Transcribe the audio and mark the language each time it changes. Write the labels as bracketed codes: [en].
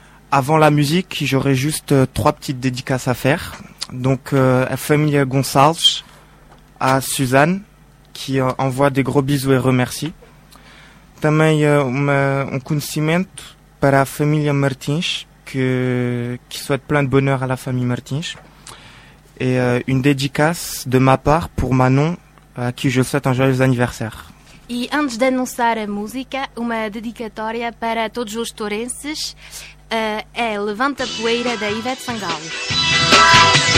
[fr] Avant la musique, j'aurais juste trois petites dédicaces à faire. Donc, à famille Gonçalves, à Suzanne, qui envoie des gros bisous et remercie. [pt] Também un conhecimento para a família Martins, [fr] que souhaite plein de bonheur à la famille Martins. Et une dédicace de ma part pour Manon, à qui je souhaite un joyeux anniversaire. [pt] E antes de anunciar a música, uma dedicatória para todos os tourenses, é Levanta a Poeira, da Ivete Sangalo.